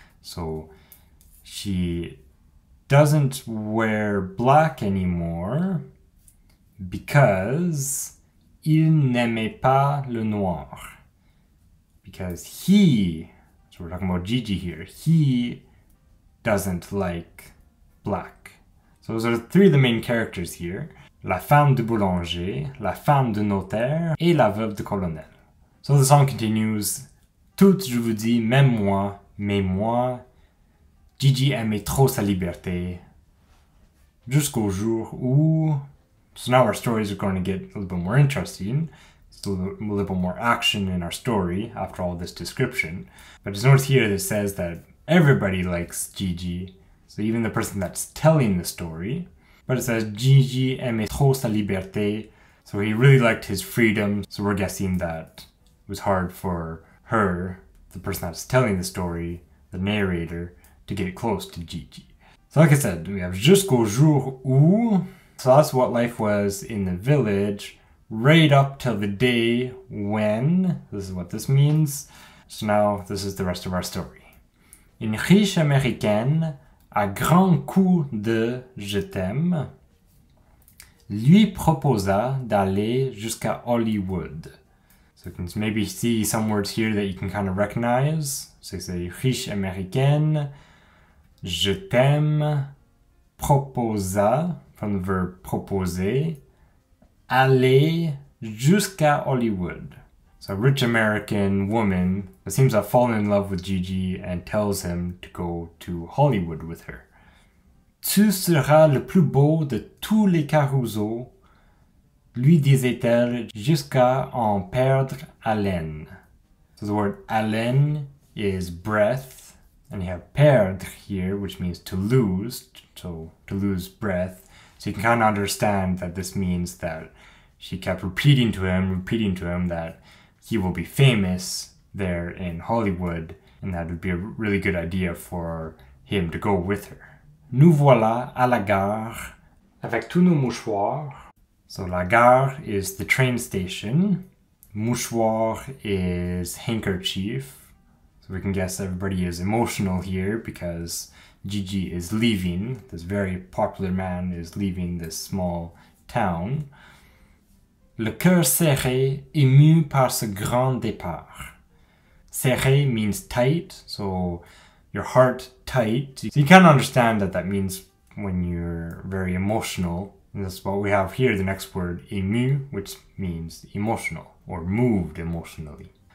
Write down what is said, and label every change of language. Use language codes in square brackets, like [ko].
[en] So she doesn't wear black anymore because [fr] il n'aimait pas le noir. [en] Because he, so we're talking about Gigi here, he doesn't like black. So those are three of the main characters here. [fr] La femme du boulanger, la femme du notaire, et la veuve du colonel. [en] So the song continues. [fr] Toutes je vous dis, même moi, mais moi, Gigi aimait trop sa liberté. Jusqu'au jour où... [en] So now our stories are going to get a little bit more interesting. So a little bit more action in our story after all this description. But just notice here that it says that everybody likes Gigi. So even the person that's telling the story. But it says [fr] Gigi aimait trop sa liberté. [en] So he really liked his freedom. So we're guessing that it was hard for her, the person that's telling the story, the narrator, to get close to Gigi. So like I said, we have [fr] jusqu'au jour où. [en] So that's what life was in the village. Right up till the day when. This is what this means. So now this is the rest of our story. [fr] Une riche américaine à grands coups de « je t'aime » lui proposa d'aller jusqu'à Hollywood. [en] So you can maybe see some words here that you can kind of recognize. So you say [fr] « riche américaine »,« je t'aime », »,« proposa » [en] from the verb [fr] « proposer », »,« aller jusqu'à Hollywood ». [en] So a rich American woman seems to have fallen in love with Gigi and tells him to go to Hollywood with her. [fr] Tu seras le plus beau de tous les Caruso, lui disait-elle, jusqu'à en perdre haleine. [en] So the word haleine is breath, and you have perdre here, which means to lose, so to lose breath. So you can kind of understand that this means that she kept repeating to him that he will be famous there in Hollywood, and that would be a really good idea for him to go with her. [fr] Nous voilà à la gare avec tous nos mouchoirs. [en] So la gare is the train station. Mouchoir is handkerchief. So we can guess everybody is emotional here because Gigi is leaving. This very popular man is leaving this small town. [fr] Le cœur serré, ému par ce grand départ. [en] Serré means tight, so your heart tight. So you can understand that means when you're very emotional. And that's what we have here, the next word, ému, which means emotional or moved emotionally.